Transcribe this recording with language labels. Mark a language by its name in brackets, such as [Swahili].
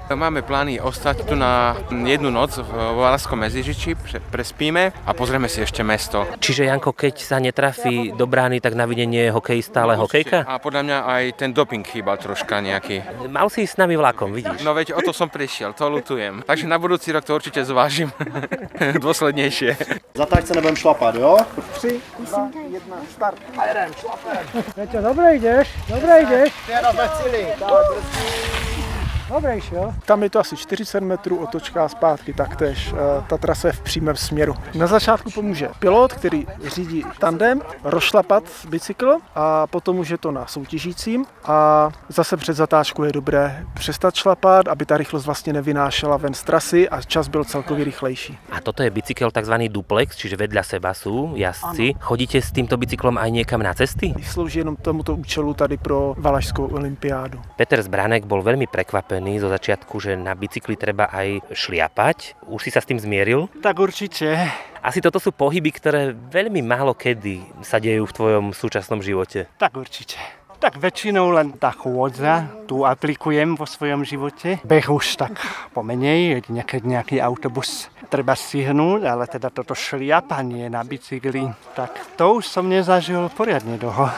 [Slovak] Máme plány ostať tu na jednu noc v Valašskom Meziříčí, prespíme a pozrieme si ešte mesto. Čiže Janko, keď sa netrafí do brány, tak na videnie je hokejista, ale hokejka? A podľa mňa aj ten doping chýba troška nejaký. Mal si s nami vlakom, vidíš? No veď, o to som prišiel, to lutujem. Takže na budúci rok to určite zvážim dôslednejšie. Zatáčce nebudem šlapať, jo? 3, 2, 1, start. A jeden, šlapem. Veďo, dobre ideš, dobre ideš. Dobrej, [Czech] tam je to asi 40 metrů otočka zpátky, taktéž ta trasa je v přímém směru. Na začátku pomůže pilot, který řídí tandem, rozšlapat bicykl a potom už je to na soutěžícím a zase před zatáčku je dobré přestat šlapat, aby ta rychlost vlastně nevynášela ven z trasy a čas byl celkově rychlejší. [Slovak] A toto je bicykel takzvaný duplex, čiže [Czech] vedle seba jsou [Slovak] jazdci. [Czech] Ano. Chodíte s tímto bicyklem aj někam na cesty? Slouží jenom tomuto účelu tady pro Valašskou olympiádu. Peter Zbranek byl velmi překvapen [Slovak] zo začiatku, že na bicykli treba aj šliapať. Už si sa s tým zmieril? Tak určite. Asi toto sú pohyby, ktoré veľmi málo kedy sa dejú v tvojom súčasnom živote. Tak určite. Tak väčšinou len tá chôdza, tu aplikujem vo svojom živote. Beh už tak pomenej, keď nejaký autobus treba stihnúť, ale teda toto šliapanie na bicykli, tak to už som nezažil poriadne dlho.